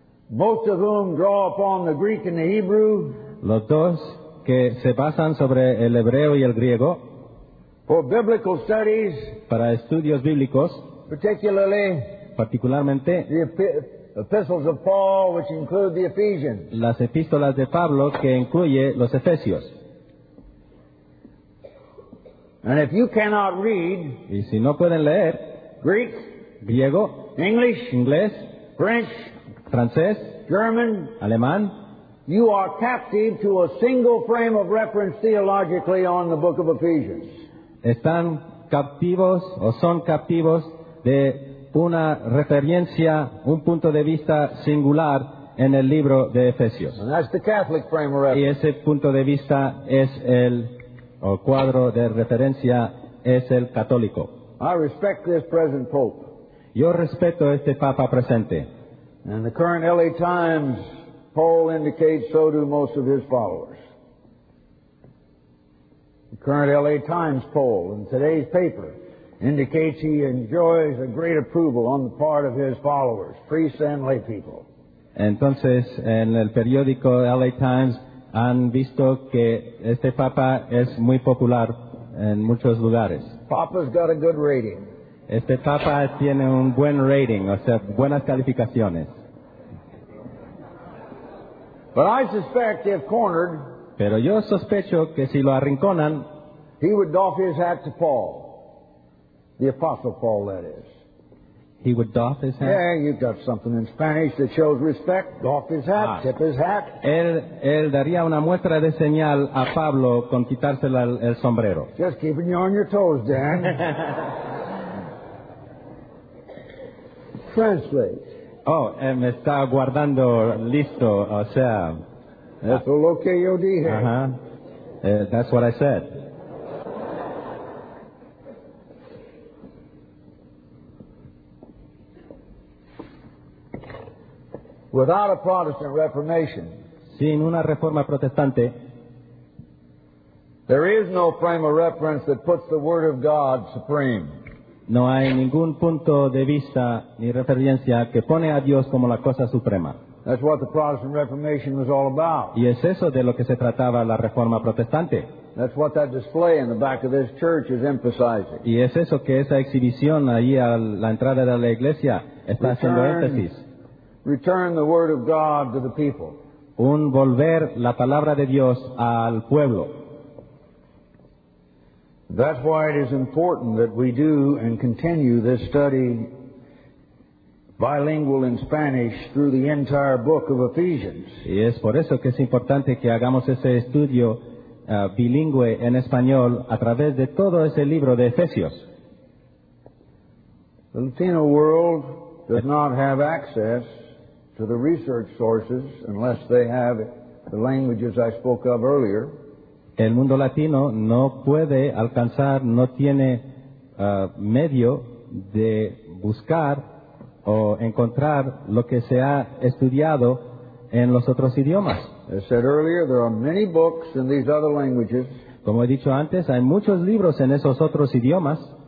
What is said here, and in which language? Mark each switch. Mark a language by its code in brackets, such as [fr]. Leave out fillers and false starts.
[en] Most of whom draw upon the Greek and the Hebrew. [es] Los dos que se basan sobre el hebreo y el griego. [en] For biblical studies. [es] Para estudios bíblicos. [en] Particularly. [es] Particularmente. [en] Epistles of Paul, which include the Ephesians. [es] Las epístolas de Pablo, que incluye los Efesios. [en] And if you cannot read, [es] y si no pueden leer, [en] Greek, [es] griego, [en] English, [es] inglés, [en] French, [es] francés, [en] German, [es] alemán, [en] you are captive to a single frame of reference theologically on the book of Ephesians. [es] Están captivos o son captivos de una referencia, un punto de vista singular en el libro de Efesios. [en] And that's the Catholic frame of reference. [es] Y ese punto de vista es el o cuadro de referencia es el católico. [en] I respect this present pope. [es] Yo respeto este papa presente. [en] And the current LA Times poll indicates so do most of his followers. The current LA Times poll in today's paper indicates he enjoys a great approval on the part of his followers, priests and lay people. [es] Entonces, en el periódico LA Times han visto que este papa es muy popular en muchos lugares. [en] Papa's got a good rating. [es] Este papa tiene un buen rating, o sea, buenas calificaciones. [en] But I suspect if cornered, [es] pero yo sospecho que si lo arrinconan, [en] He would doff his hat to Paul. The Apostle Paul, that is. He would doff his hat? Yeah, you've got something in Spanish that shows respect. Doff his hat, tip his hat. [es] Él daría una muestra de señal a Pablo con quitarse el sombrero. [en] Just keeping you on your toes, Dan. Translate. [es] Oh, me está guardando listo, o sea... Eso lo que yo dije. [en] Uh-huh. That's what I said. Without a Protestant Reformation, [es] sin una reforma protestante, [en] there is no frame of reference that puts the Word of God supreme. [es] No hay ningún punto de vista ni referencia que pone a Dios como la cosa suprema. [en] That's what the Protestant Reformation was all about. [es] Y es eso de lo que se trataba la reforma protestante. [en] That's what that display in the back of this church is emphasizing. [es] Y es eso que esa exhibición ahí a la entrada de la iglesia está haciendo énfasis. [en] Return the word of God to the people. [es] Un volver la palabra de Dios al pueblo. [en] That's why it is important that we do and continue this study bilingual in Spanish through the entire book of Ephesians. [es] Y es por eso que es importante que hagamos ese estudio bilingüe en español a través de todo ese libro de Efesios. [en] The Latino world does not have access to the research sources unless they have the languages I spoke of earlier. [es] El mundo latino no puede alcanzar, no tiene medio de buscar o encontrar lo que se ha estudiado en los otros idiomas. [en] As I said earlier, there are many books in these other languages. [es] Como he dicho antes, hay muchos libros en esos otros idiomas.